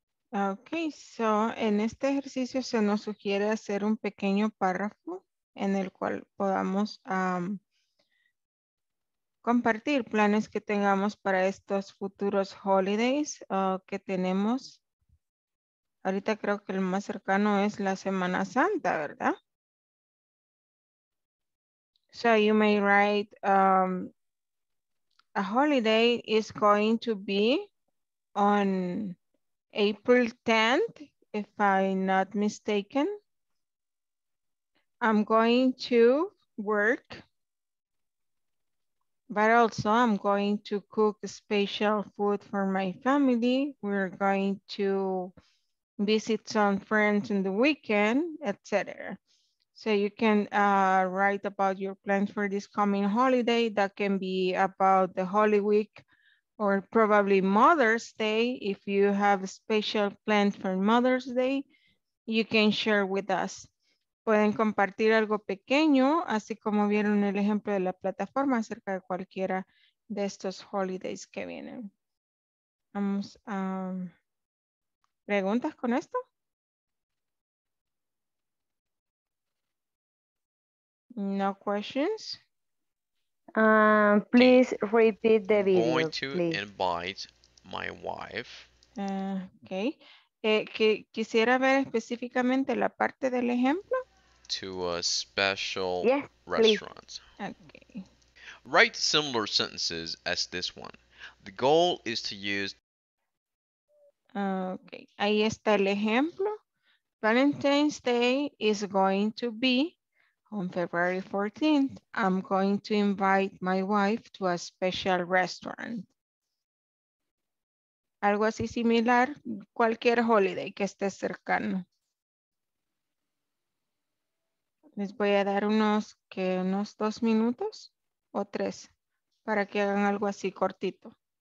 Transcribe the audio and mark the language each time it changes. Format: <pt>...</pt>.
<en>Okay, so</en> <es>en este ejercicio se nos sugiere hacer un pequeño párrafo en el cual podamos compartir planes que tengamos para estos futuros holidays que tenemos. Ahorita creo que el más cercano es la Semana Santa, ¿verdad?</es> <en>So you may write, a holiday is going to be on April 10th, if I'm not mistaken. I'm going to work. But also I'm going to cook special food for my family. We're going to visit some friends in the weekend, etc. So you can write about your plans for this coming holiday. That can be about the Holy Week or probably Mother's Day. If you have a special plan for Mother's Day, you can share with us.</en> <es>Pueden compartir algo pequeño, así como vieron el ejemplo de la plataforma acerca de cualquiera de estos holidays que vienen. Vamos a... ¿Preguntas con esto?</es> <en>No questions. Please repeat the video. Going to please. Invite my wife. Okay.</en> <es>Que quisiera ver específicamente la parte del ejemplo.</es> <en>To a special restaurant. Okay. Write similar sentences as this one. The goal is to use. Okay.</en> <es>Ahí está el ejemplo.</es> <en>Valentine's Day is going to be on February 14th. I'm going to invite my wife to a special restaurant.</en> <es>Algo así similar, cualquier holiday que esté cercano. Les voy a dar unos dos minutos o tres para que hagan algo así cortito.</es>